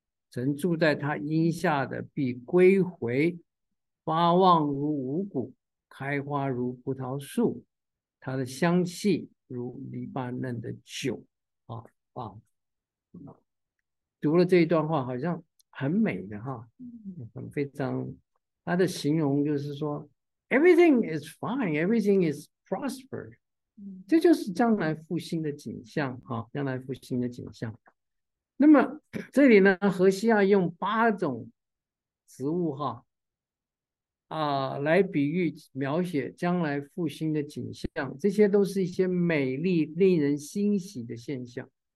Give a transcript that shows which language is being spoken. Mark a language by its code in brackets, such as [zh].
[zh] 曾住在他荫下的必归回，发旺如五谷，开花如葡萄树，它的香气如黎巴嫩的酒。啊，棒！读了这一段话，好像很美的哈，很非常。它的形容就是说， [en] everything is fine，everything is prosper。 [zh] 这就是将来复兴的景象哈，将来复兴的景象。那么这里呢，荷西亚用8种植物哈来比喻描写将来复兴的景象，这些都是一些美丽令人欣喜的现象。